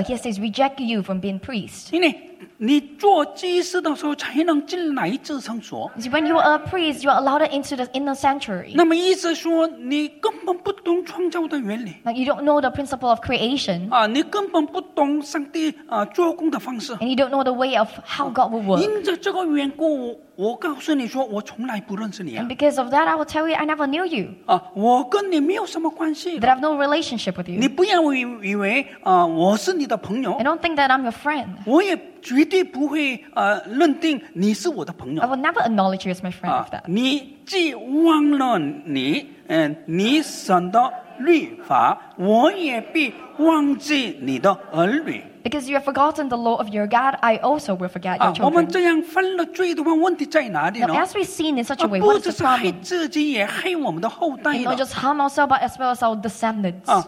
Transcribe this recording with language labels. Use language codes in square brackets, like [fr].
[en] He says, reject you from being priest. [zh] 你做祭司的时候才能进来至圣所。 [en] When you are a priest, you are allowed into the inner sanctuary. [zh] 那么意思说你根本不懂创造的原理。 [en] Like you don't know the principle of creation. [zh] 你根本不懂上帝做工的方式。 [en] And you don't know the way of how God will work. [zh] 因着这个缘故。我告诉你说我从来不认识你啊, [en] and because of that, I will tell you I never knew you. [zh] 我跟你没有什么关系, [en] that I have no relationship with you. [zh] 你不要以为, 我是你的朋友, [en] I don't think that I'm your friend. [zh] 我也绝对不会, 认定你是我的朋友。 [en] I will never acknowledge you as my friend of that. [zh] 你既忘了你, 你神的律法, 我也必忘记你的儿女。 [en] Because you have forgotten the law of your God, I also will forget your children. [zh] 我们这样犯了罪的话，问题在哪里呢？ [en] Now, as we sin in such a way, what is the problem? [zh] 不只是害自己，也害我们的后代了。 [en] Not just harm ourselves, but as well as our descendants.